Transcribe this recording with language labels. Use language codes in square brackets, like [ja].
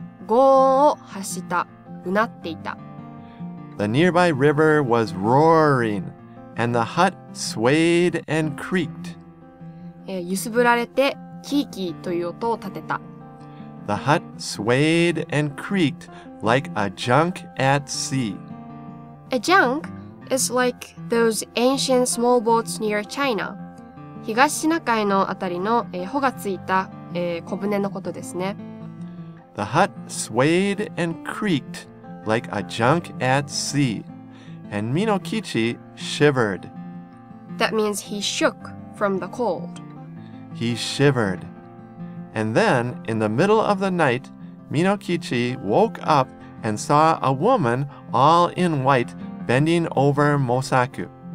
[ja] Go を走った、うなっていた。 [en] The nearby river was roaring, and the hut swayed and creaked. [ja] 揺すぶられて、キーキーという音を立てた。 [en] The hut swayed and creaked like a junk at sea. A junk is like those ancient small boats near China. [ja] 東シナ海のあたりの帆がついた小舟のことですね。 [en] The hut swayed and creaked like a junk at sea, and みのきち shivered. That means he shook from the cold. He shivered. And then, in the middle of the night, みのきち woke up and saw a woman all in white bending over Mosaku.